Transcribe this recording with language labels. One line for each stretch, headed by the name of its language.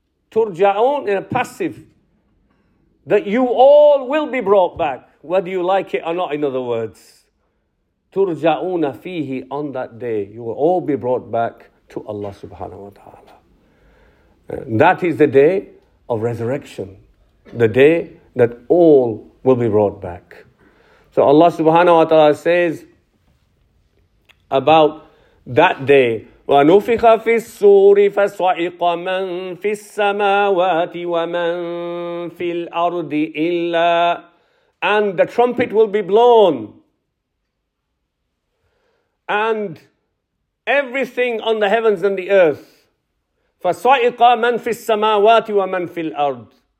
English: Turja'un in a passive, that you all will be brought back, whether you like it or not, in other words. Turja'una fihi, on that day, you will all be brought back to Allah subhanahu wa ta'ala. That is the day of resurrection, the day that all will be brought back. So Allah subhanahu wa ta'ala says about that day,
Arabic: وَنُفِخَ فِي السُّورِ فَصَعِقَ مَن فِي السَّمَاوَاتِ وَمَن فِي الْأَرْضِ إِلَّا.
English: And the trumpet will be blown, and everything on the heavens and the earth,
Arabic: فَصَعِقَ مَنْ فِي السَّمَاوَاتِ وَمَنْ فِي الْأَرْضِ.